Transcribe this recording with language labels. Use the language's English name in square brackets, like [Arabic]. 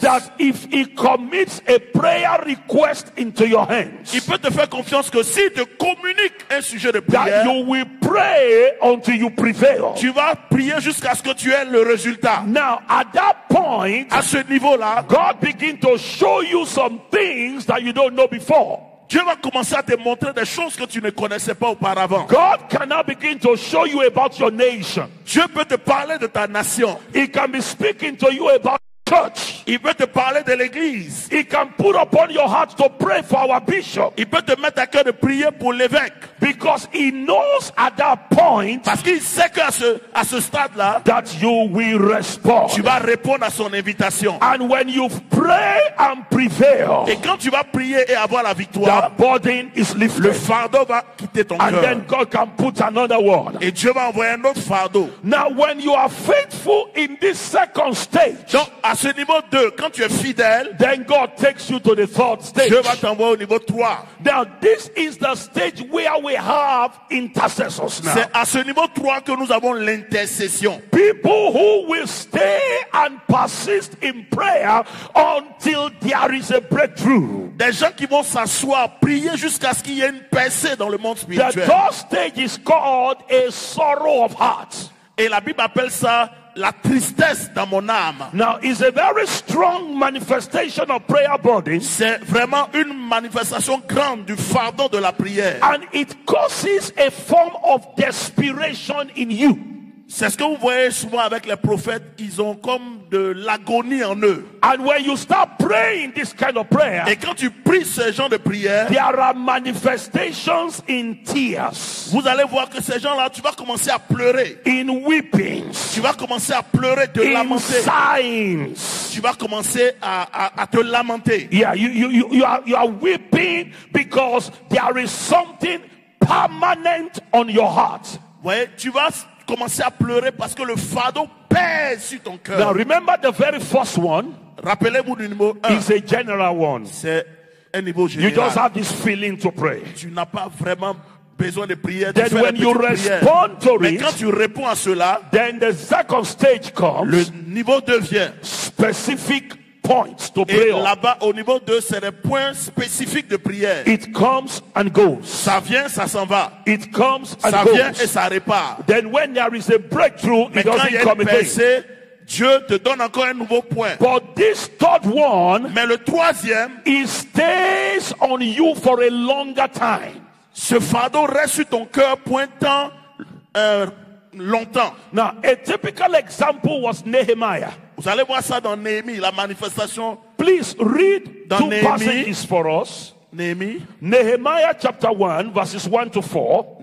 [English] That if he commits a prayer request into your hands, [French] il peut te faire confiance que s'il te communique un sujet de prière, [English] that you will pray until you prevail. [French] Tu vas prier jusqu'à ce que tu aies le résultat. [English] Now at that point, [French] à ce niveau-là, [English] God begins to show you some things that you don't know before. [French] Dieu va commencer à te montrer des choses que tu ne connaissais pas auparavant. [English] God can now begin to show you about your nation. [French] Dieu peut te parler de ta nation. [English] He can be speaking to you about church. [French] Il peut te parler de l'église. [English] He can put upon your heart to pray for our bishop. [French] Il peut te mettre à cœur de prier pour l'évêque. [English] Because he knows at that point, [French] parce qu'il sait que à ce stade là, [English] that you will respond. [French] Tu vas répondre à son invitation. [English] And when you pray and prevail, [French] et quand tu vas prier et avoir la victoire, [English] the burden is lifted. [French] Le fardeau va quitter ton cœur. [English] And then God can put another one. [French] Et Dieu va envoyer un autre fardeau. [English] Now when you are faithful in this second stage, [French] donc à ce niveau 2, quand tu es fidèle, [English] then God takes you to the third stage. [French] Dieu va t'envoyer au niveau 3. [English] Now this is the stage where we have intercessors now. [French] C'est à ce niveau 3 que nous avons l'intercession. [English] People who will stay and persist in prayer until there is a breakthrough. [French] Des gens qui vont s'asseoir prier jusqu'à ce qu'il y ait une percée dans le monde spirituel. [English] The third stage is called a sorrow of heart. [French] Et la Bible appelle ça la tristesse dans mon âme. [English] Now is a very strong manifestation of prayer burden. [French] C'est vraiment une manifestation grande du fardeau de la prière. [English] And it causes a form of desperation in you. [French] C'est ce que vous voyez souvent avec les prophètes, ils ont comme de l'agonie en eux. [English] And when you start praying this kind of prayer, [French] et quand tu pries ce genre de prière, [English] there are manifestations in tears. [French] Vous allez voir que ces gens-là, tu vas commencer à pleurer. [English] In weepings. [French] Tu vas commencer à pleurer, te [English] in [French] lamenter. [English] In sighings. [French] Tu vas commencer à te lamenter. [English] Yeah, you are weeping because there is something permanent on your heart. [French] Ouais, tu vas commencer à pleurer parce que le fardeau pèse sur ton cœur. [English] Now remember the very first one. [French] Rappelez-vous du numéro 1. [English] Is a general one. [French] C'est un niveau général. [English] You just have this feeling to pray. [French] Tu n'as pas vraiment besoin de prier. [English] Then [French] de [English] when you respond To it, [French] mais quand tu réponds à cela, [English] then the second stage comes. [French] Le niveau devient [English] specific points to prayer. [French] Et là-bas, au niveau 2, c'est des points spécifiques de prière. [English] It comes and goes. [French] Ça vient, ça s'en va. [English] It comes and [French] ça [English] goes. [French] Vient et ça repart. [English] Then when there is a breakthrough, [French] mais [English] it doesn't [French] quand il y a [English] come [French] percée, Dieu te donne encore un nouveau point. [English] But this third one, [French] mais le troisième, [English] it stays on you for a longer time. [French] Ce fardeau reste sur ton cœur pointant longtemps. [English] Now, a typical example was Nehemiah. [French] Vous allez voir ça dans Néhémie, la manifestation. [English] Please read dans two Néhémie, passages for us. [French] Néhémie. [English] Nehemiah chapter 1, verses 1 to 4.